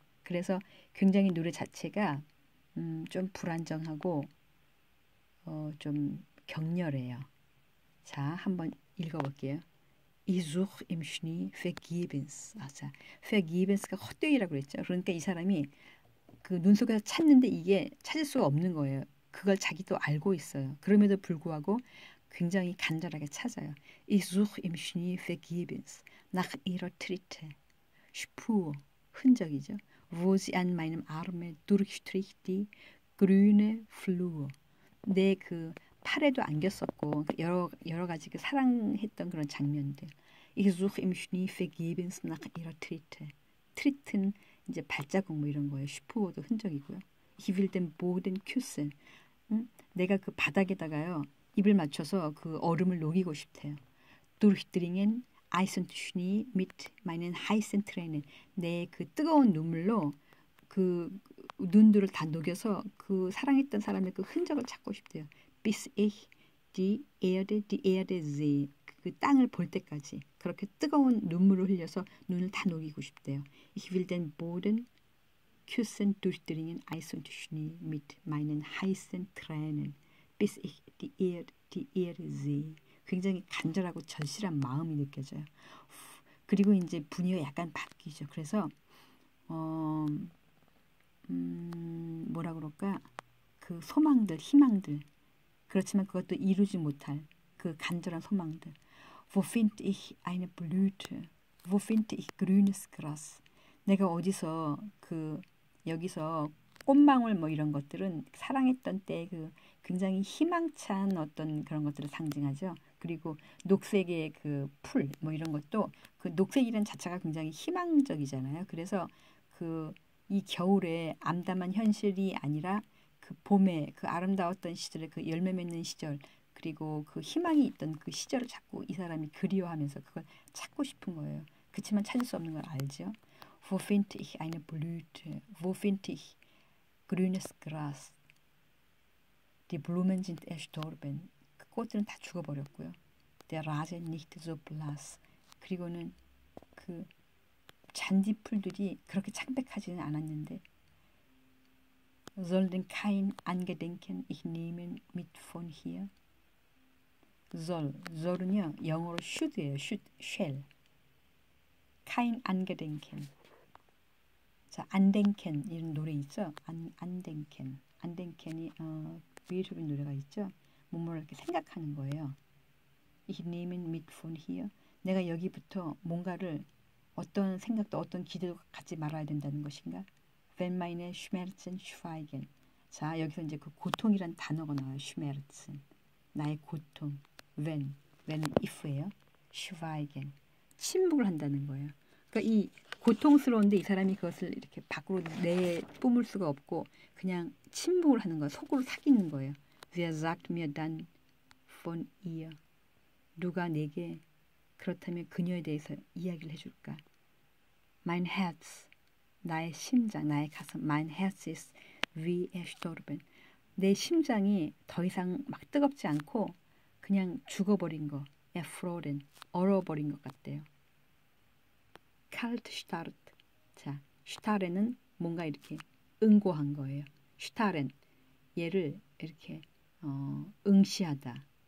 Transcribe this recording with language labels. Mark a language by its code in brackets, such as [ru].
[ko] 그래서 굉장히 노래 자체가 좀 불안정하고 좀 격렬해요. 자, 한번 읽어볼게요. [de] Ich suche im Schnee vergebens. [ko] 아, 자, vergebens가 헛되이라고 그랬죠. 그러니까 이 사람이 그눈 속에서 찾는데 이게 찾을 수가 없는 거예요. 그걸 자기도 알고 있어요. 그럼에도 불구하고 굉장히 간절하게 찾아요. [de] Ich suche im Schnee vergebens nach ihrer Tritte. Spur, [ko] 흔적이죠. [de] Wo sie an meinem Arme durchstrich die grüne Flur. [ko] 내그 팔에도 안겼었고 여러 가지 그 사랑했던 그런 장면들. [de] Ich suche im Schnee vergebens nach ihrer Tritte. [ko] Tritten 이제 발자국 뭐 이런 거예요. 슈푸어도 흔적이고요. [de] Ich will den Boden küssen. [ko] 응? 내가 그 바닥에다가요. 입을 맞춰서 그 얼음을 녹이고 싶대요. [de] Durchdringen, Eis und Schnee mit meinen heißen Tränen. [ko] 내그 뜨거운 눈물로 그 눈들을 다 녹여서 그 사랑했던 사람의 그 흔적을 찾고 싶대요. [de] Bis ich die Erde sehe. [ko] 그 땅을 볼 때까지 그렇게 뜨거운 눈물을 흘려서 눈을 다 녹이고 싶대요. [de] Ich will den Boden küssen, durchdringen, Eis und Schnee mit meinen heißen Tränen. Bis ich die Erde sehe. [ko] 굉장히 간절하고 절실한 마음이 느껴져요. 그리고 이제 분위기가 약간 바뀌죠. 그래서 뭐라 그럴까? 그 소망들, 희망들. 그렇지만 그것도 이루지 못할 그 간절한 소망들. [de] Wo finde ich eine Blüte? Wo finde ich grünes Gras? [ko] 내가 어디서 그 여기서 꽃망울 뭐 이런 것들은 사랑했던 때그 굉장히 희망찬 어떤 그런 것들을 상징하죠. 그리고 녹색의 그풀뭐 이런 것도 그 녹색이란 자체가 굉장히 희망적이잖아요. 그래서 그이 겨울의 암담한 현실이 아니라 그 봄에 그 아름다웠던 시절의 그 열매 맺는 시절 그리고 그 희망이 있던 그 시절을 자꾸 이 사람이 그리워하면서 그걸 찾고 싶은 거예요. 그렇지만 찾을 수 없는 걸 알죠. [de] Wo finde ich eine Blüte? Wo finde ich grünes Gras? Die Blumen sind erstorben. [ko] 꽃들은 다 죽어버렸고요. [de] Der Rasen nicht so blass. [ko] 그리고는 그 잔디풀들이 그렇게 창백하지는 않았는데. [de] Sollen kein Angedenken ich nehmen mit von hier? [ko] Soll은요 영어로 should예요. [en] Should, shall. [de] Kein Angedenken. [ko] 자, 안덴켄 이런 노래 있죠? 안덴켄. 안덴켄이 베토벤 노래가 있죠? 뭔가를 이렇게 생각하는 거예요. [de] Ich nehme mit von hier. [ko] 내가 여기부터 뭔가를 어떤 생각도 어떤 기대도 갖지 말아야 된다는 것인가? [de] Wenn meine Schmerzen schweigen. [ko] 자, 여기서 이제 그 고통이란 단어가 나와요. Schmerzen. 나의 고통. Wenn if예요. Schweigen. 침묵을 한다는 거예요. 그러니까 이 고통스러운데 이 사람이 그것을 이렇게 밖으로 내뿜을 수가 없고 그냥 침묵을 하는 거예요. 속으로 삭이는 거예요. [de] Wer sagt mir dann von ihr? [ko] 누가 내게 그렇다면 그녀에 대해서 이야기를 해줄까? [de] Mein Herz, [ko] 나의 심장, 나의 가슴, [de] mein Herz ist wie erstorben. [ko] 내 심장이 더 이상 막 뜨겁지 않고 그냥 죽어버린 거, erfroren, 얼어버린 것 같대요. [de] Kalt starrt. [ko] 자, starren은 뭔가 이렇게 응고한 거예요. starren, 얘를 이렇게 응시하다.